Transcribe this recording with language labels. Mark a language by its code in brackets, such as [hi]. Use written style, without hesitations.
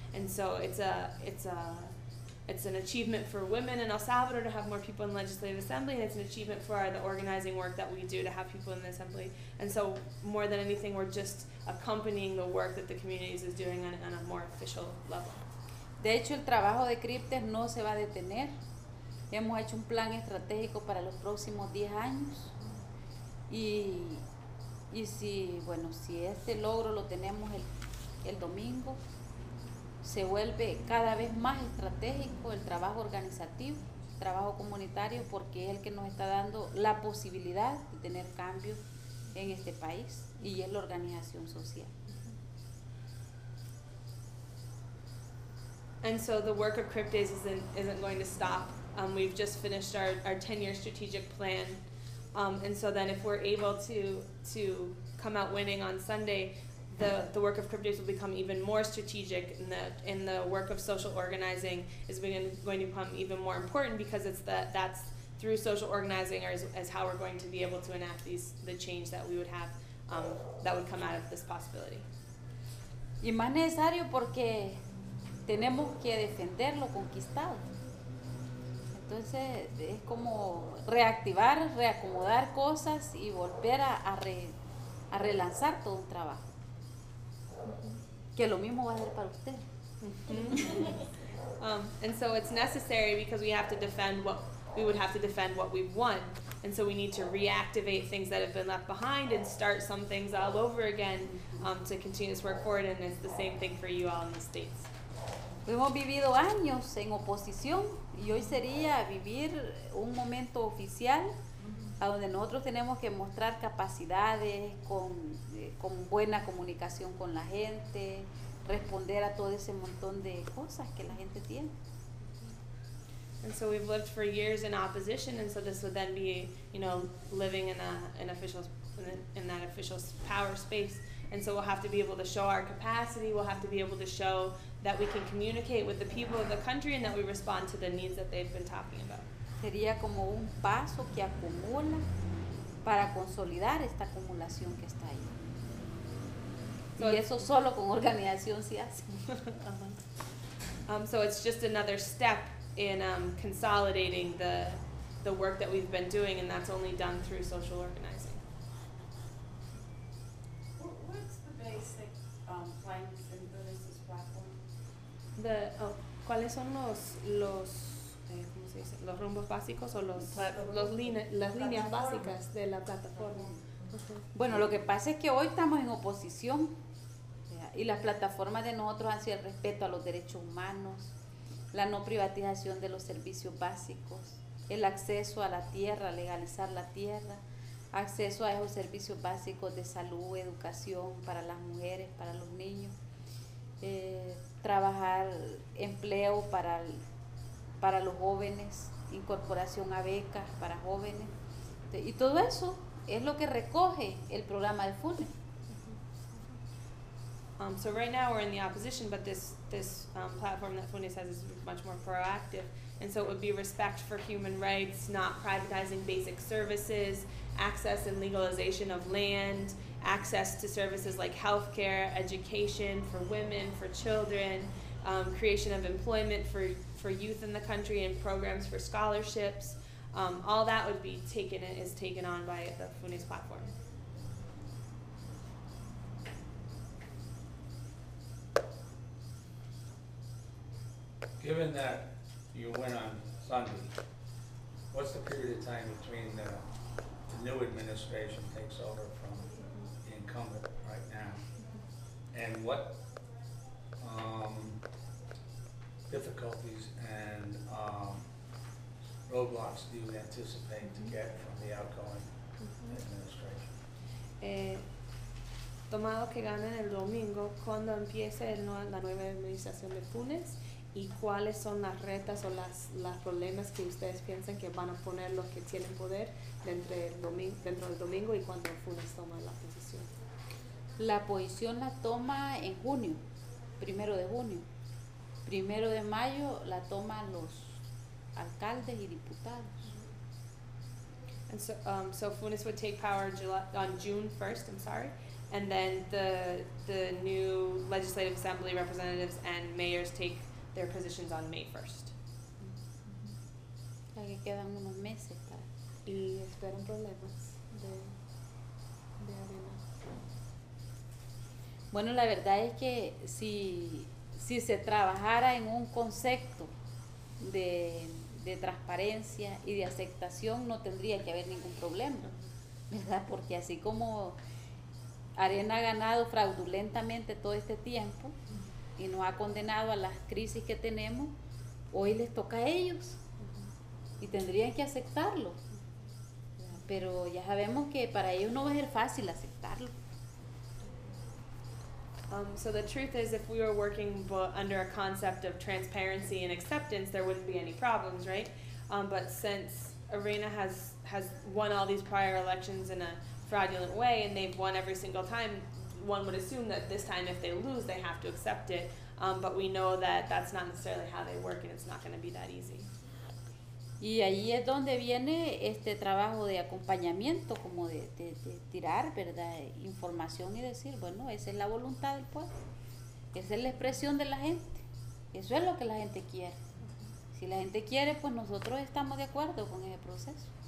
[en] And so it's an achievement for women in El Salvador to have more people in the Legislative Assembly, and it's an achievement for the organizing work that we do to have people in the Assembly. And so more than anything, we're just accompanying the work that the communities is doing on a more official level. [es] De hecho, el trabajo de Cryptis no se va a detener. Hemos hecho un plan estratégico para los próximos 10 años. Y si, bueno, si este logro lo tenemos el domingo, se vuelve cada vez más estratégico el trabajo organizativo, el trabajo comunitario, porque es el que nos está dando la posibilidad de tener cambios en este país, y es la organización social. [en] And so the work of Cryptis isn't going to stop. We've just finished our 10-year strategic plan. And so then if we're able to come out winning on Sunday, the work of Crip Days will become even more strategic in the work of social organizing is going to become even more important, because that's through social organizing as how we're going to be able to enact the change that we would have that would come out of this possibility. [es] Y más necesario porque tenemos que defender lo conquistado. Entonces es como reactivar, reacomodar cosas y volver a relanzar todo un trabajo. Que lo mismo va a ser para usted. [en] And so it's necessary because we have to defend what we've won. And so we need to reactivate things that have been left behind and start some things all over again to continue this work forward. And it's the same thing for you all in the States. [es] Hemos vivido años en oposición y hoy sería vivir un momento oficial a donde nosotros tenemos que mostrar capacidades con buena comunicación con la gente, responder a todo ese montón de cosas que la gente tiene. [en] And so we've lived for years in opposition, and so this would then be, you know, living in that official power space. And so we'll have to be able to show our capacity, we'll have to be able to show that we can communicate with the people of the country and that we respond to the needs that they've been talking about. [es] Sería como un paso que acumula para consolidar esta acumulación que está ahí. So y eso solo con organización se hace. [en] So it's just another step in consolidating the work that we've been doing, and that's only done through social organizing. What's the basic planks in Buddhist's platform? [es] ¿Cuáles son los rumbos básicos o las líneas básicas de la plataforma? Bueno, lo que pasa es que hoy estamos en oposición, y las plataformas de nosotros han sido el respeto a los derechos humanos, la no privatización de los servicios básicos, el acceso a la tierra, legalizar la tierra, acceso a esos servicios básicos de salud, educación para las mujeres, para los niños, trabajar empleo para los jóvenes, incorporación a becas para jóvenes. Y todo eso es lo que recoge el programa de FUNE. [en] So right now we're in the opposition, but this platform that FUNES has is much more proactive. And so it would be respect for human rights, not privatizing basic services, access and legalization of land, access to services like healthcare, education for women, for children, creation of employment for youth in the country, and programs for scholarships. All that would be taken on by the FUNES platform. Given that you went on Sunday, what's the period of time between the new administration takes over from the incumbent right now, and what difficulties and roadblocks do you anticipate to get from the outgoing administration? [es] Tomado que ganen el domingo, cuando empiece la nueva administración de FUNES, y cuáles son las retas o las problemas que ustedes piensan que van a poner los que tienen poder dentro del domingo y cuando FUNES toma la posición. La posición la toma en junio, primero de junio. Primero de mayo la toman los alcaldes y diputados. [en] And so FUNES would take power on June 1st, I'm sorry. And then the new legislative assembly representatives and mayors take their positions on May 1st. [es] La que quedan unos meses para. Y esperan problemas de arena. Bueno, la verdad es que si se trabajara en un concepto de transparencia y de aceptación, no tendría que haber ningún problema, ¿verdad? Porque así como Arena ha ganado fraudulentamente todo este tiempo y nos ha condenado a las crisis que tenemos, hoy les toca a ellos y tendrían que aceptarlo, pero ya sabemos que para ellos no va a ser fácil aceptarlo. [en] So the truth is, if we were working under a concept of transparency and acceptance, there wouldn't be any problems, right? But since Arena has won all these prior elections in a fraudulent way, and they've won every single time, one would assume that this time if they lose, they have to accept it. But we know that that's not necessarily how they work, and it's not going to be that easy. [es] Y ahí es donde viene este trabajo de acompañamiento, como de tirar, ¿verdad?, información y decir, bueno, esa es la voluntad del pueblo. Esa es la expresión de la gente. Eso es lo que la gente quiere. Si la gente quiere, pues nosotros estamos de acuerdo con ese proceso.